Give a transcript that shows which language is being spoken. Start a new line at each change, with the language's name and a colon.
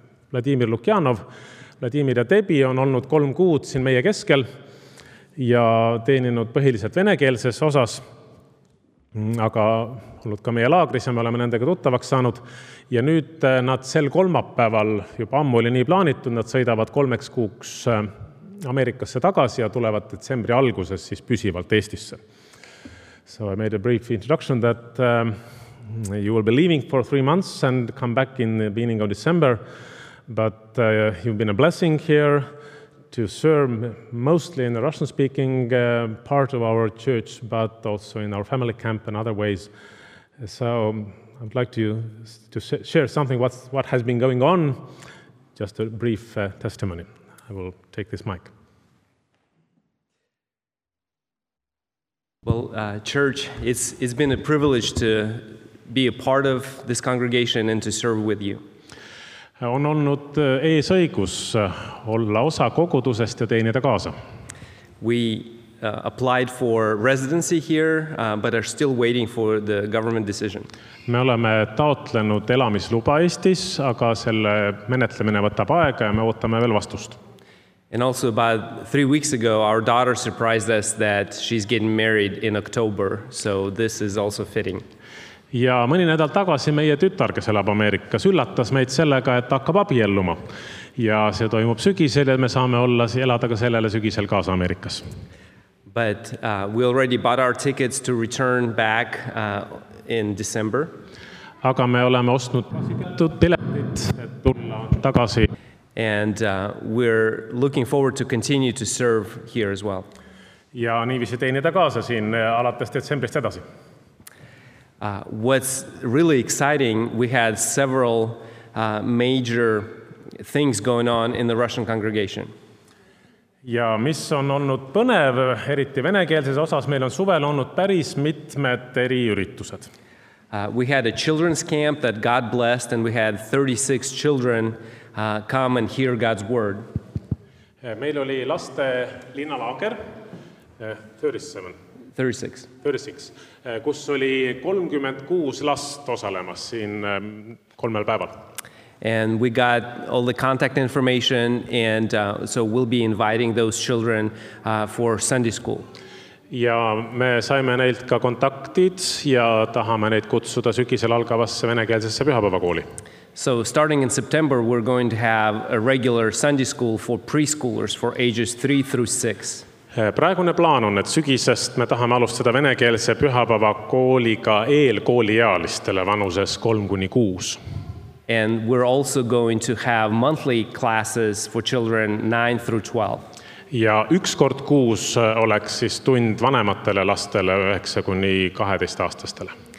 Estonian: Vladimir Lukjanov, Vladimir ja Debi on olnud 3 kuud siin meie keskel ja teeninud põhiliselt venekeelses osas, aga olnud ka meie laagris ja me oleme nendega tuttavaks saanud. Ja nüüd nad sel kolmapäeval juba ammu oli nii plaanitud, nad sõidavad 3 kuuks Ameerikasse tagasi ja tulevad detsembri alguses siis püsivalt Eestisse.
English: So I made a brief introduction that you will be leaving for 3 months and come back in the beginning of December, but you've been a blessing here to serve mostly in the Russian-speaking part of our church, but also in our family camp and other ways. So I'd like to share something what has been going on, just a brief testimony. I will take this mic. Well, church, it's been a privilege to be a part of this congregation and to serve with you.
Estonian: On olnud eesõigus olla osa kogudusest ja teenida kaasa.
English: We applied for residency here, but are still waiting for the government decision.
Estonian: Me oleme taotlenud elamisluba Eestis, aga selle menetlemine võtab aega ja me ootame veel vastust.
English: And also about 3 weeks ago, our daughter surprised us that she's getting married in October, so this is also fitting.
Estonian: Ja mõni nädal tagasi meie tütar, kes elab Ameerikas, üllatas meid sellega, et hakkab abielluma. Ja see toimub sügisel ja me saame olla elada ka sellele sügisel kaasa Ameerikas.
English: But we already bought our tickets to return back in December.
Estonian: Aga me oleme ostnud piletid, et tulla tagasi.
English: And we're looking forward to continue to serve here as well.
Estonian: Ja niiviisi teenida kaasa siin alates detsembrist edasi.
English: What's really exciting, we had several major things going on in the Russian congregation.
Estonian: Ja mis on olnud põnev, eriti venekeelses osas, meil on suvel olnud päris mitmed eri üritused.
English: We had a children's camp that God blessed, and we had 36 children come and hear God's word.
Estonian: Meil oli laste linnalaager, 36, kus oli 36 last osalemas siin kolmel päeval.
English: And we got all the contact information, and so we'll be inviting those children for Sunday school.
Estonian: Ja me saime neilt ka kontaktid ja tahame neid kutsuda sügisel algavasse venekeelsesse pühapäevakooli.
English: So starting in September, we're going to have a regular Sunday school for preschoolers for ages 3 through 6.
Estonian: Praegune plaan on, et sügisest me tahame alustada venekeelse pühapäevakooliga eelkooliealistele vanuses 3 kuni 6.
English: And we're also going to have monthly classes for children 9 through 12.
Estonian: Ja üks kord kuus oleks siis tund vanematele lastele 9 kuni 12 aastastele.